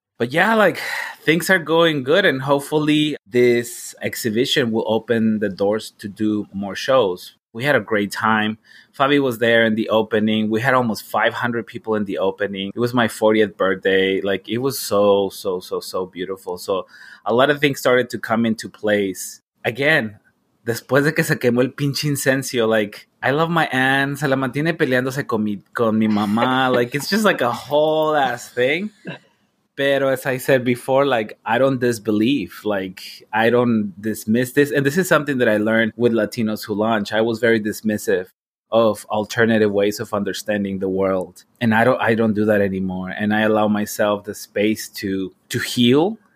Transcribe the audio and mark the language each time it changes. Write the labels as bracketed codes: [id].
[en] But yeah, like things are going good and hopefully this exhibition will open the doors to do more shows. We had a great time. Fabi was there in the opening. We had almost 500 people in the opening. It was my 40th birthday. Like it was so, so, so, so beautiful. So a lot of things started to come into place. Again, [es] después de que se quemó el pinche incencio, [en] like I love my aunt. [es] Se la mantiene peleándose con mi mamá. [en] Like it's just like a whole ass thing. But as I said before, like, I don't disbelieve, like, I don't dismiss this. And this is something that I learned with Latinos Who Launch. I was very dismissive of alternative ways of understanding the world. And I don't do that anymore. And I allow myself the space to heal.